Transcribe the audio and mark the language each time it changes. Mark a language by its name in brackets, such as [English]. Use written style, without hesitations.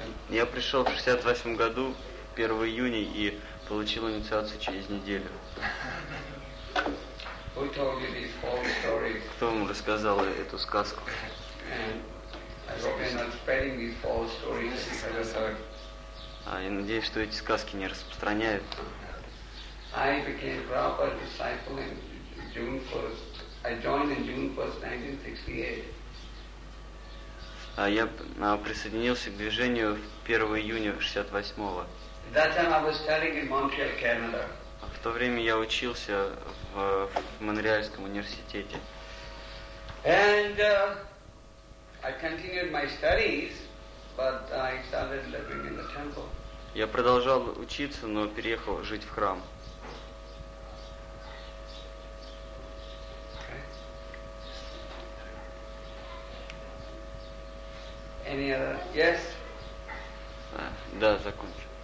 [Russian] Я пришел в 68 году, 1 июня, и получил инициацию через неделю. [English] Who told you these false stories? [Russian] Кто вам рассказал эту сказку? [English] And I hope you're not spreading these false stories. [Russian] Я надеюсь, что эти сказки не распространяют. [English] I became Prabhupada's disciple in June 1st, 1968. [Russian] Я присоединился к движению 1 июня 68-го. [English] That time I was studying in Montreal, Canada. [Russian] В то время я учился в Монреальском университете. [English] And I continued my studies, but I started living in the temple. [Russian] Я продолжал учиться, но переехал жить в храм. [English] Any other? Yes? [Russian] Да, закончу.